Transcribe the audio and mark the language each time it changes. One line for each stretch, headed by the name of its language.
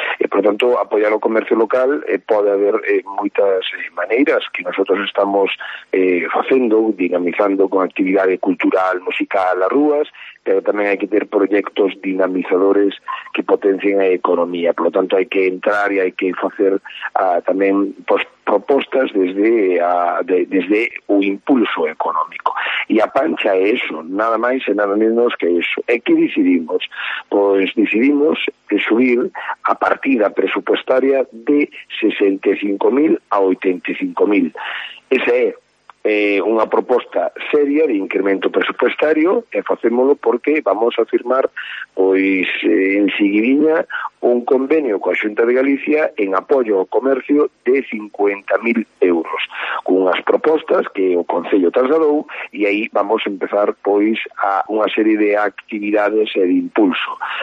Spanish: Por lo tanto, apoyar o comercio local puede haber muchas maneras que nosotros estamos haciendo, dinamizando con actividad cultural, musical, las ruas, pero también hay que tener proyectos dinamizadores que potencien a economía. Por lo tanto, hay que entrar y hay que hacer también propuestas desde o impulso económico.
Galician: Y a pancha é eso, nada máis e nada menos que eso. ¿E que decidimos?
Spanish: Pues decidimos subir a partida presupuestaria de 65.000 a 85.000.
Galician: Esa é unha proposta seria de incremento presupuestario, e facémolo porque vamos a firmar pois en seguidinha un convenio coa Xunta de Galicia en apoio ao comercio de 50.000 euros, cunhas propostas que o Concello trasladou, e aí vamos a empezar pois a unha serie de actividades e de impulso.